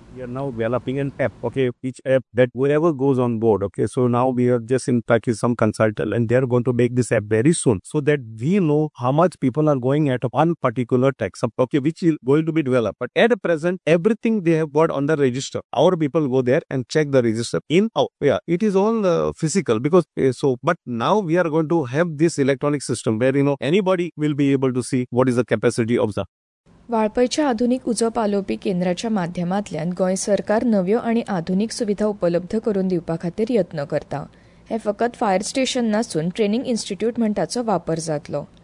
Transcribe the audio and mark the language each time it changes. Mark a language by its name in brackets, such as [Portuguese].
[English] We are now developing an app, okay, each app that whoever goes on board, okay, so now we are just in fact with some consultant and they are going to make this app very soon so that we know how much people are going at one particular taxi, okay, which is going to be developed. But at present, everything they have got on the register, our people go there and check the register in, out. Yeah, it is all physical because, so, but now we are going to have this electronic system where, you know, anybody will be able to see what is the capacity of the. [Goan Konkani] वाळपयच्या आधुनिक उजो पालोवपी केंद्राच्या माध्यमातल्यान गोंय सरकार नव्यो आनी आधुनिक सुविधा उपलब्ध करून दिवपा खातीर यत्न करता. हे फकत फायर स्टेशन नासून ट्रेनिंग इन्स्टिट्यूट म्हणटाचो वापर जातलो.